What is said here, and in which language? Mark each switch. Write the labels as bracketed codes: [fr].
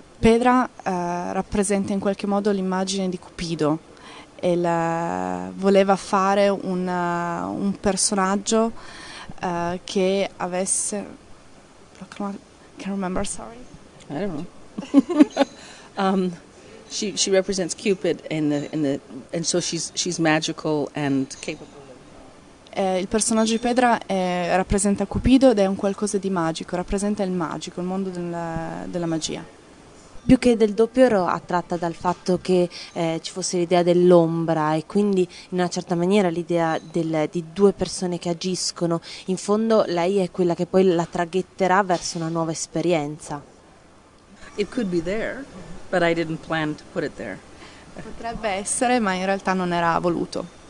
[it] Pedra rappresenta in qualche modo l'immagine di Cupido e voleva fare un personaggio che avesse. [en] Can't remember, sorry. I don't know. She represents Cupid and so she's magical and capable. [it] Il personaggio di Pedra rappresenta Cupido ed è un qualcosa di magico, rappresenta il magico, il mondo della magia. Più che del doppio ero attratta dal fatto che ci fosse l'idea dell'ombra e quindi in una certa maniera l'idea di due persone che agiscono. In fondo lei è quella che poi la traghetterà verso una nuova esperienza. [en] It could be there, but I didn't plan to put it there. [it] Potrebbe essere, ma in realtà non era voluto.